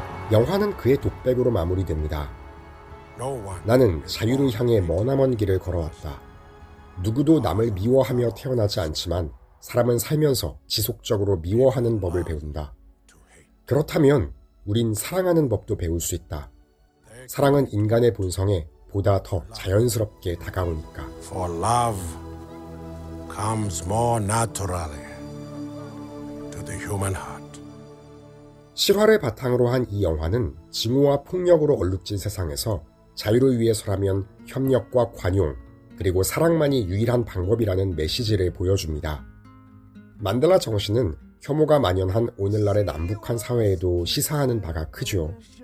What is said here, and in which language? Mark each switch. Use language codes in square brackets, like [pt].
[ko] 영화는 그의 독백으로 마무리됩니다. 나는 자유를 향해 머나먼 길을 걸어왔다. 누구도 남을 미워하며 태어나지 않지만 사람은 살면서 지속적으로 미워하는 법을 배운다. 그렇다면 우린 사랑하는 법도 배울 수 있다. 사랑은 인간의 본성에 보다 더 자연스럽게 다가오니까. [en] For love comes more naturally to the human heart. [ko] 실화를 바탕으로 한 이 영화는 증오와 폭력으로 얼룩진 세상에서 자유를 위해서라면 협력과 관용, 그리고 사랑만이 유일한 방법이라는 메시지를 보여줍니다. 만델라 정신은 혐오가 만연한 오늘날의 남북한 사회에도 시사하는 바가 크죠.